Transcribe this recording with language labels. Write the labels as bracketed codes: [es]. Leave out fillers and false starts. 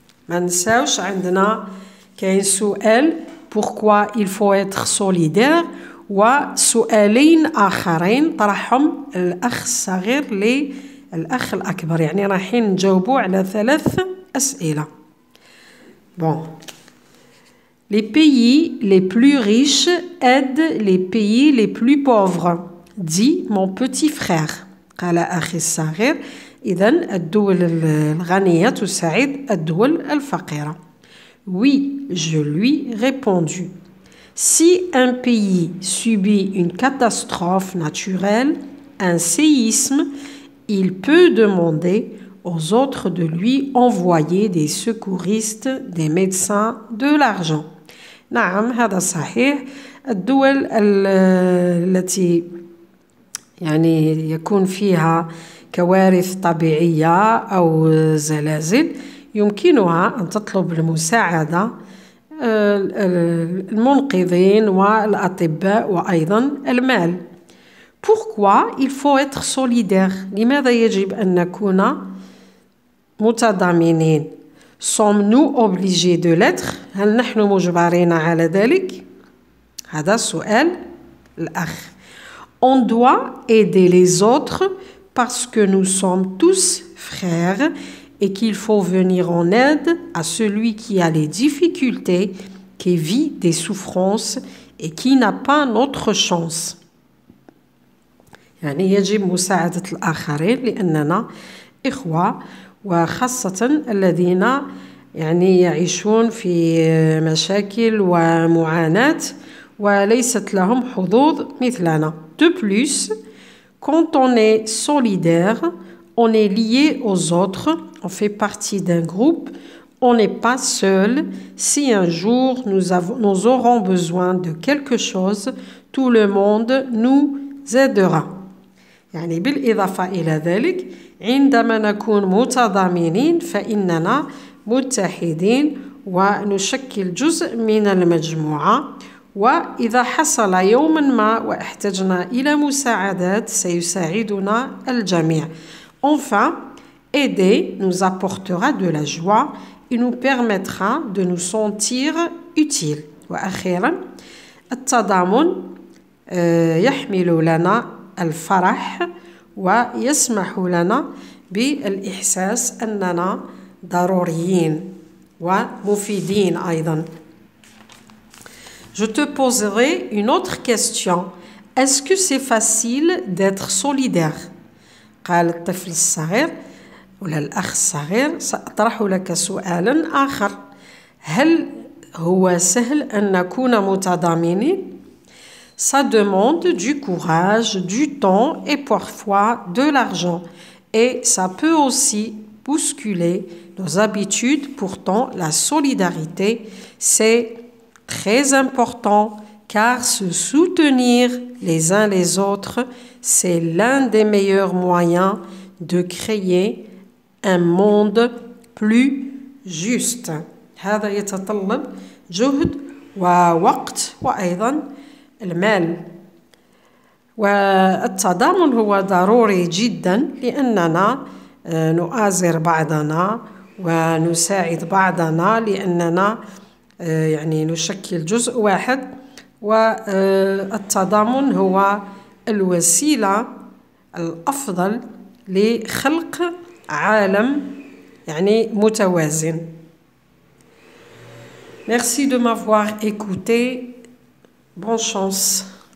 [ar] Ma nsaouch, عندنا كاين سؤال [fr] pourquoi il faut être solidaire [ar] و سؤالين اخرين طرحهم الاخ الصغير للاخ الاكبر يعني رايحين نجاوبوا على ثلاث اسئله. [fr] Bon. Les pays les plus riches aident les pays les plus pauvres, dit mon petit frère. [ar] قال اخي الصغير إذن الدول الغنية تساعد الدول الفقيرة. [fr] Oui, je lui répondu. Si un pays subit une catastrophe naturelle, un séisme, il peut demander aux autres de lui envoyer des secouristes, des médecins, de l'argent. [ar] نعم هذا صحيح. الدول التي يعني يكون فيها كوارث طبيعية أو زلازل يمكنها أن تطلب المساعدة المنقذين والأطباء وأيضا المال. [fr] Pourquoi il faut être solidaire? [ar] لماذا يجب أن نكون متضامنين؟ [fr] Sommes-nous obligés de l'être? [ar] هل نحن مجبرين على ذلك؟ هذا سؤال الأخ. [fr] On doit aider les autres parce que nous sommes tous frères et qu'il faut venir en aide à celui qui a les difficultés, qui vit des souffrances et qui n'a pas notre chance. [ar] يعني يجب مساعدة الآخرين لأننا إخوة وخاصة الذين يعني يعيشون في مشاكل ومعاناة وليست لهم حظوظ مثلنا. [fr] De plus, quand on est solidaire, on est lié aux autres, on fait partie d'un groupe, on n'est pas seul. Si un jour nous aurons besoin de quelque chose, tout le monde nous aidera. [ar] يعني بالإضافة إلى ذلك عندما نكون متضامنين فإننا متحدين ونشكل جزء من المجموعة وإذا حصل يوما ما واحتجنا إلى مساعدات سيساعدنا الجميع. [fr] Enfin, aider nous apportera de la joie et nous permettra de nous sentir utiles. [ar] وأخيرا التضامن يحمل لنا الفرح ويسمح لنا بالإحساس أننا ضروريين ومفيدين أيضا. [fr] Je te poserai une autre question. Est-ce que c'est facile d'être solidaire? [ar] قال الطفل الصغير ولا الأخ الصغير سأطرح لك سؤالا آخر. هل هو سهل أن نكون متضامنين؟ [fr] Ça demande du courage, du temps et parfois de l'argent. Et ça peut aussi bousculer nos habitudes. Pourtant, la solidarité, c'est très important car se soutenir les uns les autres, c'est l'un des meilleurs moyens de créer un monde plus juste. [ar] هذا يتطلب جهد ووقت وأيضا المال. والتضامن هو ضروري جدا لأننا نؤازر بعضنا ونساعد بعضنا لأننا يعني نشكل جزء واحد. والتضامن هو الوسيلة الأفضل لخلق عالم يعني متوازن. [fr] Merci de m'avoir écouté. Bonne chance.